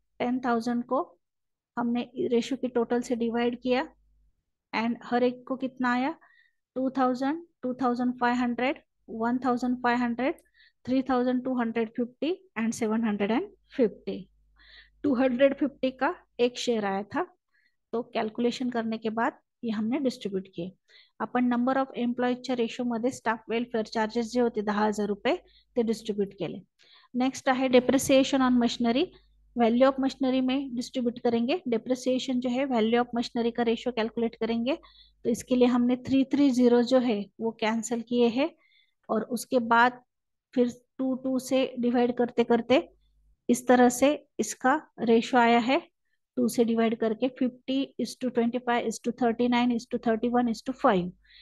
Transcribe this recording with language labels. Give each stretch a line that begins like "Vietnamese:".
Hindi: 10,000 को हमने रेशियो की टोटल से डिवाइड किया एंड हर एक को कितना आया 2,000, 2,500, 1,500, 3,250 एंड 750. 250 का एक शेयर आया था. तो कैलकुलेशन करने के बाद ये हमने डिस्ट्रीब्यूट किए.
Marathi: अपन नंबर ऑफ एम्प्लॉईजच्या रेशियो मध्ये स्टाफ वेलफेअर चार्जेस जे होते 10,000 रुपये ते डिस्ट्रीब्यूट केले. नेक्स्ट आहे depreciation on machinery.
Hindi: Value of machinery में डिस्ट्रीब्यूट करेंगे. डेप्रिसिएशन जो है वैल्यू ऑफ मशीनरी का रेशियो कैलकुलेट करेंगे. तो इसके लिए हमने 330 जो है वो कैंसिल किए हैं और उसके बाद फिर 2 2 से डिवाइड करते करते इस तरह से इसका रेशियो आया है 2 से डिवाइड करके 50:25:39:31:5.